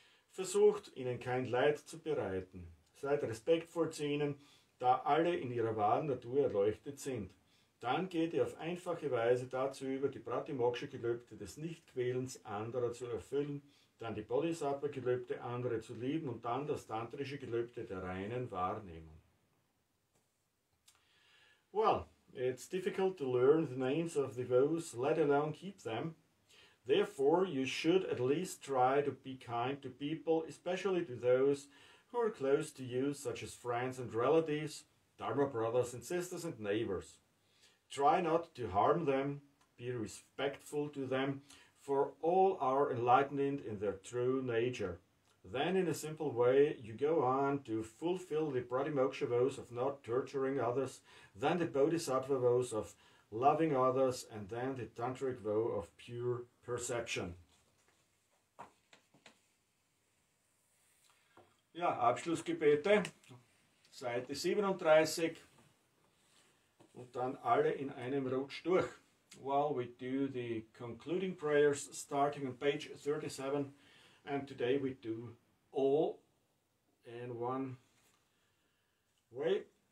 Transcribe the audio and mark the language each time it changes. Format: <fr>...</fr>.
<de>Versucht, ihnen kein Leid zu bereiten. Seid respektvoll zu ihnen, da alle in ihrer wahren Natur erleuchtet sind. Dann geht ihr auf einfache Weise dazu über, die Pratimoksha-Gelübde des Nichtquälens anderer zu erfüllen, dann die Bodhisattva-Gelübde, andere zu lieben und dann das tantrische Gelübde der reinen Wahrnehmung.</de> <en>Well, it's difficult to learn the names of the vows, let alone keep them. Therefore, you should at least try to be kind to people, especially to those who are close to you, such as friends and relatives, Dharma brothers and sisters and neighbors. Try not to harm them, be respectful to them, for all are enlightened in their true nature. Then in a simple way, you go on to fulfill the Pratimoksha vows of not torturing others, then the Bodhisattva vows of loving others, and then the Tantric vow of pure perception.</en> <de>Ja, Abschlussgebete, Seite 37, und dann alle in einem Rutsch durch.</de> <en>Well, we do the concluding prayers starting on page 37, and today we do all in one way.</en>